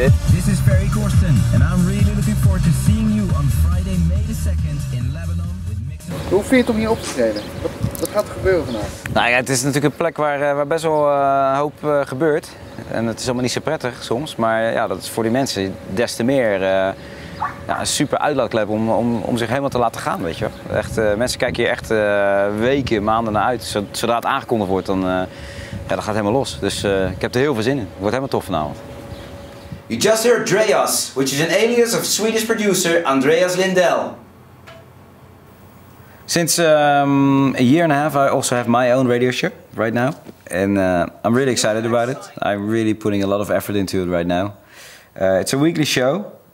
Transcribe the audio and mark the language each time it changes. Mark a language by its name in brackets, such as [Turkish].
[English] This is Ferry Corsten, and I'm really looking forward to seeing you on Friday, May the 2nd in Lebanon with Mix. [Dutch] Hoe vind je het om hier op te treden? Wat gaat er gebeuren vandaag? Nou ja, het is natuurlijk een plek waar best wel hoop gebeurt. En het is allemaal niet zo prettig soms. Maar ja, dat is voor die mensen des te meer een super uitlaatklep om zich helemaal te laten gaan, weet je. Echt, mensen kijken hier echt weken, maanden naar uit. Zodra het aangekondigd wordt, dan gaat het helemaal los. Dus ik heb er heel veel zin in. Het wordt helemaal tof vanavond. [English] You just heard Dreas, which is an alias of Swedish producer Andreas Lindell. Since a year and a half, I also have my own radio show right now. And I'm really excited about it. I'm really putting a lot of effort into it right now. It's a weekly show.